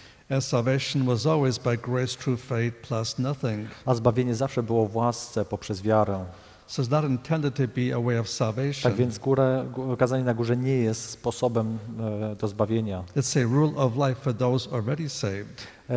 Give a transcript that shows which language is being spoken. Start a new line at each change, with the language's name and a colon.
English: And salvation was always by grace through faith plus nothing.
Polish: A zbawienie zawsze było w łasce poprzez wiarę.
English: So it's not intended to be a way of salvation.
Polish: Tak więc kazanie na górze nie jest sposobem do zbawienia.
English: It's a rule of life for those already saved.